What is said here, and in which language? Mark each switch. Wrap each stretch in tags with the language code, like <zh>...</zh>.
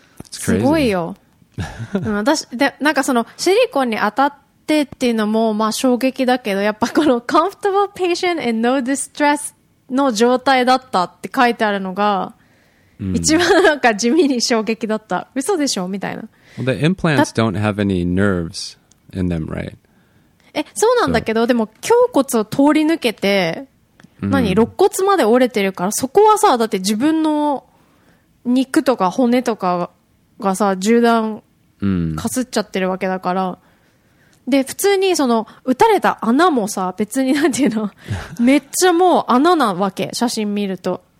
<ja>すごいよ。私でなんかそのシリコンに当たってっていうのもまあ衝撃だけど、やっぱこの</ja> <en>comfortable patient and no distress。</en> <ja>の状態だったって書いてあるのが、一番なんか地味に衝撃だった。嘘でしょみたいな。</ja> <en>Well, the implants don't have any nerves in them, right?</en> <ja>え、そうなんだけど、でも胸骨を通り抜けて、何、肋骨まで折れてるから、そこはさ、だって自分の肉とか骨とかがさ、銃弾かすっちゃってるわけだから、で普通にその撃たれた穴もさ、別になんていうのめっちゃもう穴なわけ、写真見ると、</ja>